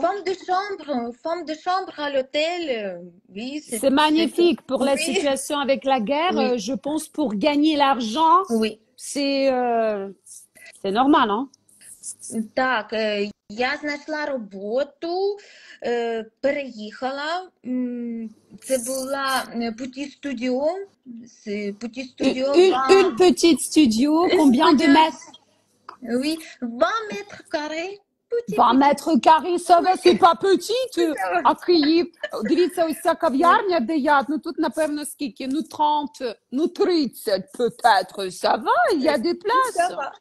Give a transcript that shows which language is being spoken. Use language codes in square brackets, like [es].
[fr] Femme de chambre à l'hôtel, oui, c'est magnifique pour la situation avec la guerre, je pense pour gagner l'argent, c'est normal, hein? [uk] Так, я знайшла роботу, переїхала, це була путі-студіо. [fr] Une petite studio, combien de mètres? Oui, 20 mètres carrés. 20 mètres carrés, ça va, c'est pas petit. [uk] А Київ, дивіться, ось ця кав'ярня, де я, ну тут, напевно, скільки? Ну 30, ну 30, [fr] peut-être, ça va, il y a des places.